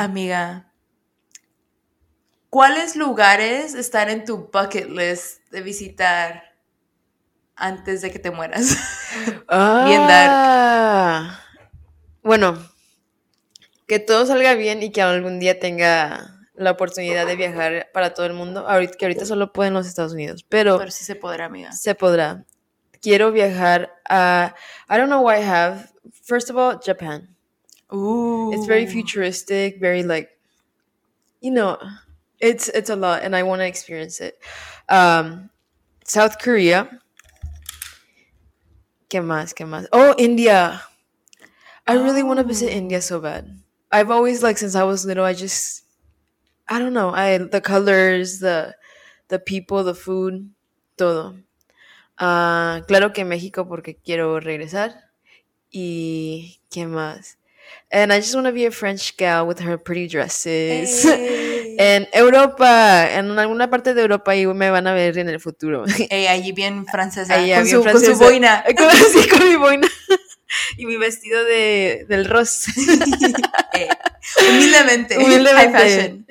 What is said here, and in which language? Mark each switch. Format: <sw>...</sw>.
<es>amiga, ¿cuáles lugares están en tu bucket list de visitar antes de que te mueras? Bien dark. Ah. Bueno, que todo salga bien y que algún día tenga la oportunidad de viajar para todo el mundo, ahorita que ahorita solo puedo en los Estados Unidos, pero Pero sí se podrá, amiga. se podrá. Quiero viajar a,</es> <en>I don't know why I have, first of all, Japan. It's very futuristic, very like, you know, it's a lot and I want to experience it. South Korea.</en> <es>¿Qué más? ¿Qué más? Oh, India.</es> <en>I really want to visit India so bad. I've always like, since I was little, I just, I don't know. The colors, the people, the food, todo.</en> <es>Claro que México porque quiero regresar. ¿Y qué más?</es> <en>And I just want to be a French gal with her pretty dresses.</en> <es>En Europa, en alguna parte de Europa y me van a ver en el futuro. Allí bien francesa, Allá, bien con su francesa. boina. Así con mi boina y mi vestido de del Ross. Humildemente, high Humildemente.</es>